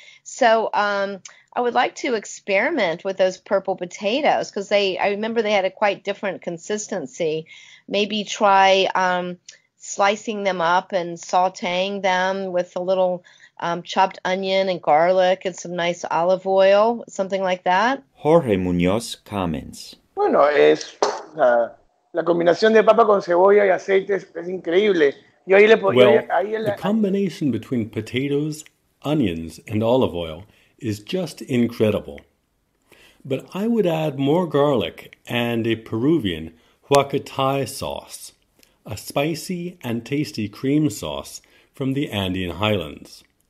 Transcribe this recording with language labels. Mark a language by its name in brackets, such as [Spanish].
[English] So I would like to experiment with those purple potatoes because I remember they had a quite different consistency. Maybe try slicing them up and sauteing them with a little chopped onion and garlic and some nice olive oil, something like that. Jorge Muñoz comments. [Spanish] Bueno, es la combinación de papa con cebolla y aceite es increíble. Yo ahí le podría, [English] well, [Spanish] ahí [English] la, the combination between potatoes, onions, and olive oil is just incredible. But I would add more garlic and a Peruvian huacatay sauce, a spicy and tasty cream sauce from the Andean Highlands.